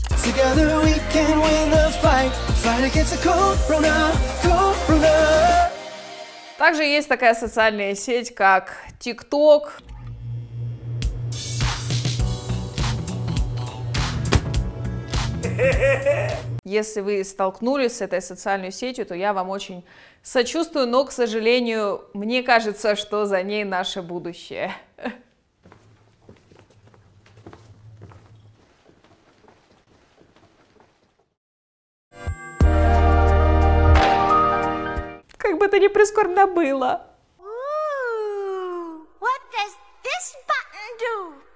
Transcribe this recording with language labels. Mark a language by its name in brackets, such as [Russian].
[English] Together we can win the fight against the corona. [Russian] Также есть такая социальная сеть, как TikTok. Если вы столкнулись с этой социальной сетью, то я вам очень сочувствую, но, к сожалению, мне кажется, что за ней наше будущее. Как бы это ни прискорбно было. [English] Ooh, what does this button do?